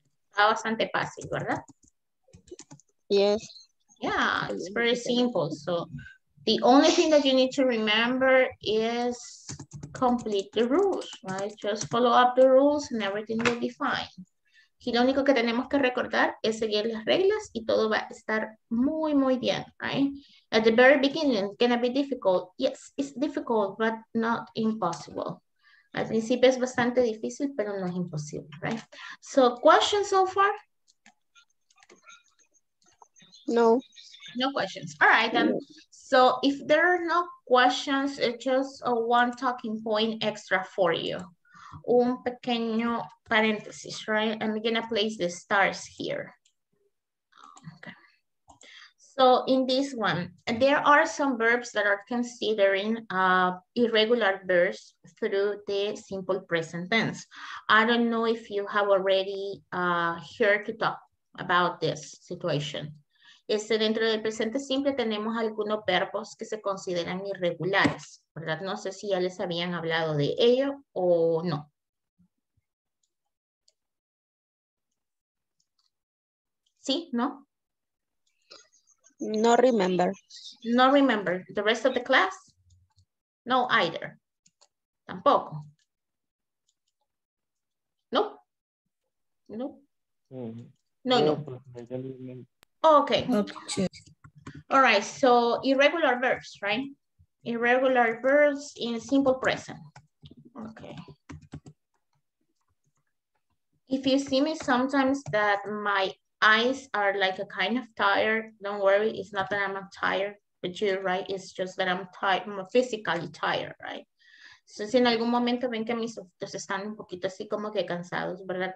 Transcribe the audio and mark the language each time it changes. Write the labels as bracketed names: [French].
[Spanish] Está bastante fácil, ¿verdad? [English] Yes. Yeah, it's very simple. So the only thing that you need to remember is complete the rules, right? Just follow up the rules and everything will be fine. [Spanish] Y lo único que tenemos que recordar es seguir las reglas y todo va a estar muy, muy bien, right? [English] At the very beginning, can it be difficult? Yes, it's difficult, but not impossible. [Spanish] Al principio es bastante difícil, pero no es imposible, right? [English] So, questions so far? No. No questions. All right, then. So, if there are no questions, it's just a one talking point extra for you. [Spanish] Un pequeño paréntesis, [English] right? I'm gonna place the stars here. Okay. So in this one, there are some verbs that are considering irregular verbs through the simple present tense. I don't know if you have already heard to talk about this situation. [Spanish] Dentro del presente simple tenemos algunos verbos que se consideran irregulares, ¿verdad? No sé si ya les habían hablado de ello o no. ¿Sí? ¿No? [English] No remember. No remember. ¿The rest of the class? No, either. Tampoco. ¿No? ¿No? No, no. Okay. All right, so irregular verbs, right? Irregular verbs in simple present. Okay. If you see me sometimes that my eyes are like a kind of tired, don't worry, it's not that I'm tired, but you're right, it's just that I'm tired, I'm physically tired, right? [Spanish] So si en algún momento ven que mis ojos están un poquito así como que cansados, ¿verdad?